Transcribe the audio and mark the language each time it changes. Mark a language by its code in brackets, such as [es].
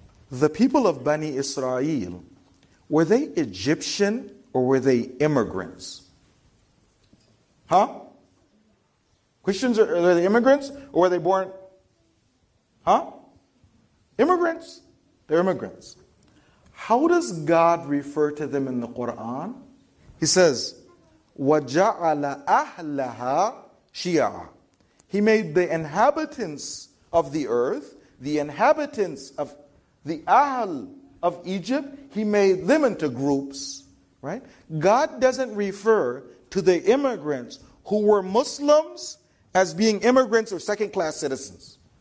[en] The people of Bani Israel, were they Egyptian or were they immigrants? Huh? Christians, are they immigrants or were they born? Huh? Immigrants. They're immigrants. How does God refer to them in the Quran? He says, [ar] وَجَعَلَ أَهْلَهَا شِيَعًا. [en] He made the inhabitants of the earth, the inhabitants of the Ahl of Egypt, he made them into groups, right? God doesn't refer to the immigrants who were Muslims as being immigrants or second-class citizens.